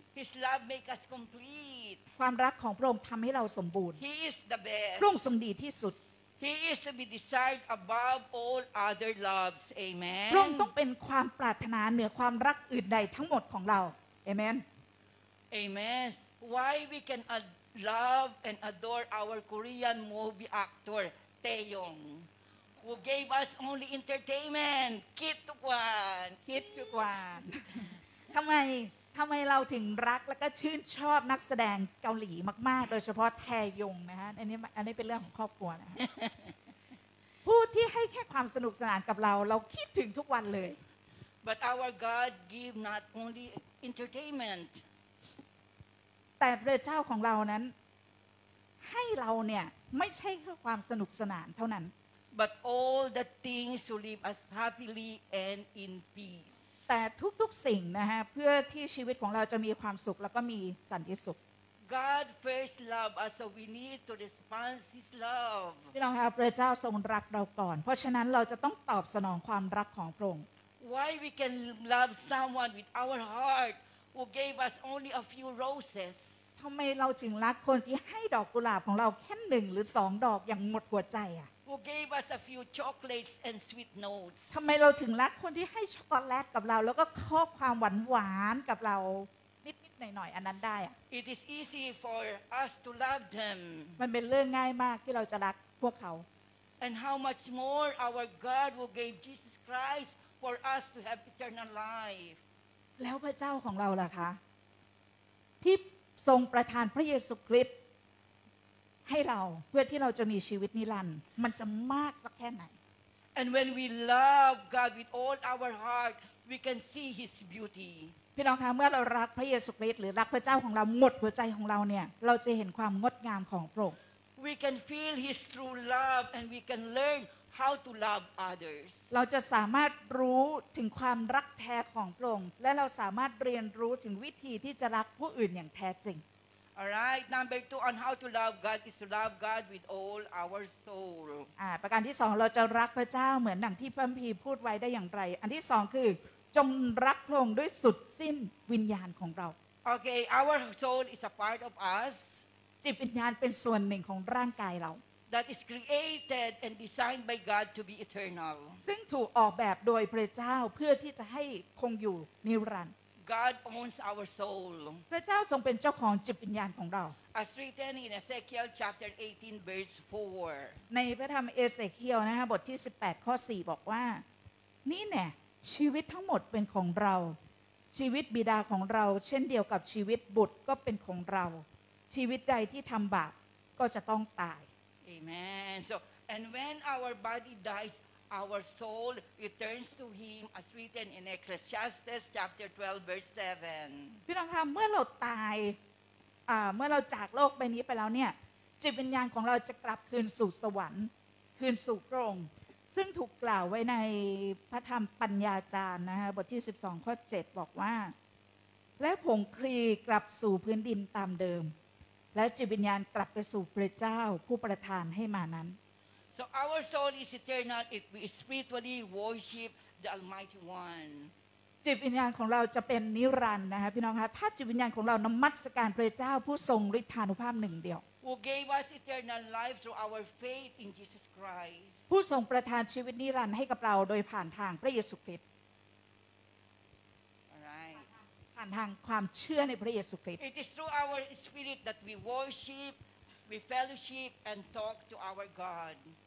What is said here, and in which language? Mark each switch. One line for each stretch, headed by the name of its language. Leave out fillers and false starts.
English: His love make us complete
Thai: ความรักของพระองค์ทำให้เราสมบูรณ์
English: He is the best
Thai: พระองค์ทรงดีที่สุด
English: He is to be desired above all other loves Amen
Thai: พระองค์ต้องเป็นความปรารถนาเหนือความรักอื่นใดทั้งหมดของเรา Amen
English: Amen Why we can love and adore our Korean movie actor Taeyong Who gave us only entertainment? Kid to Kwan. Kid to Kwan.
Thai: ทำไมเราถึงรักและก็ชื่นชอบนักแสดงเกาหลีมากๆโดยเฉพาะแทยงนะฮะอันนี้เป็นเรื่องของครอบครัวนะผู้ที่ให้แค่ความสนุกสนานกับเราเราคิดถึงทุกวันเลย
English: But our God gave not only entertainment.
Thai: แต่พระเจ้าของเรานั้นให้เราเนี่ยไม่ใช่แค่ความสนุกสนานเท่านั้น
English: But all the things to live us happily and in peace.
Thai: แต่ทุกๆสิ่งนะฮะเพื่อที่ชีวิตของเราจะมีความสุขแล้วก็มีสันติสุข
English: God first loved us, so we need to respond His love.
Thai: พี่น้องคะพระเจ้าทรงรักเราก่อนเพราะฉะนั้นเราจะต้องตอบสนองความรักของพระองค์
English: Why we can love someone with our heart who gave us only a few roses?
Thai: ทำไมเราถึงรักคนที่ให้ดอกกุหลาบของเราแค่หนึ่งหรือสองดอกอย่างหมดหัวใจอ่ะ
English: Who gave us a few chocolates and sweet notes
Thai: ทำไมเราถึงรักคนที่ให้ช็อกโกแลตกับเราแล้วก็ข้อความหวานๆกับเรานิดๆหน่อยๆอันนั้นได้อ่ ะ
English: It is easy for us to love them
Thai: มันเป็นเรื่องง่ายมากที่เราจะรักพวกเขา
English: And how much more our God will give Jesus Christ for us to have eternal life
Thai: แล้วพระเจ้าของเราล่ะคะที่ทรงประทานพระเยซูคริสต์ให้เราเพื่อที่เราจะมีชีวิตนิรันดร์มันจะมากสักแค่ไหน
English: And when we love God with all our heart we can see his beauty
Thai: พี่น้องคะเมื่อเรารักพระเยซูคริสต์หรือรักพระเจ้าของเราหมดหัวใจของเราเนี่ยเราจะเห็นความงดงามของพระองค์
English: We can feel his true love and we can learn how to love others
Thai: เราจะสามารถรู้ถึงความรักแท้ของพระองค์และเราสามารถเรียนรู้ถึงวิธีที่จะรักผู้อื่นอย่างแท้จริง
English: Alright, number two on how to love God is to love God with all our soul.
Thai: ประการที่สองเราจะรักพระเจ้าเหมือนดังที่พระคัมภีร์พูดไว้ได้อย่างไรอันที่สองคือจงรักพระองค์ด้วยสุดสิ้นวิญญาณของเรา
English: Okay, our soul is a part of us.
Thai: จิตวิญญาณเป็นส่วนหนึ่งของร่างกายเรา
English: That is created and designed by God to be eternal.
Thai: ซึ่งถูกออกแบบโดยพระเจ้าเพื่อที่จะให้คงอยู่นิรันดร์
English: God owns our soul.
Thai: พระเจ้าทรงเป็นเจ้าของจิตวิญญาณของเรา
English: As written in Ezekiel chapter 18 verse 4.
Thai: ในพระธรรมเอเสเคียลนะฮะบทที่18ข้อ4บอกว่านี่แน่ชีวิตทั้งหมดเป็นของเราชีวิตบิดาของเราเช่นเดียวกับชีวิตบุตรก็เป็นของเราชีวิตใดที่ทำบาปก็จะต้องตาย
English: Amen. So and when our body diesOur soul returns to Him, as written in Ecclesiastes chapter 12, verse 7.
Thai: พี่น้องคะเมื่อเราตายเมื่อเราจากโลกใบนี้ไปแล้วเนี่ยจิตวิญญาณของเราจะกลับคืนสู่สวรรค์คืนสู่พระองค์ซึ่งถูกกล่าวไว้ในพระธรรมปัญญาจารย์นะฮะบทที่12ข้อ7บอกว่าและผงคลีกลับสู่พื้นดินตามเดิมและจิตวิญญาณกลับไปสู่พระเจ้าผู้ประทานให้มานั้น
English: So our soul is eternal if we spiritually worship the Almighty One.
Thai: จิตวิญญาณของเราจะเป็นนิรันดร์นะคะพี่น้องคะถ้าจิตวิญญาณของเรานมัสการพระเจ้าผู้ทรงฤทธานุภาพหนึ่งเดียว
English: Who gave us eternal life through our faith in Jesus Christ.
Thai: ผู้ทรงประทานชีวิตนิรันดร์ให้กับเราโดยผ่านทางพระเยซูคริสต์
English: Alright.
Thai: ผ่านทางความเชื่อในพระเยซูคริสต์
English: It is through our spirit that we worship, we fellowship, and talk to our God.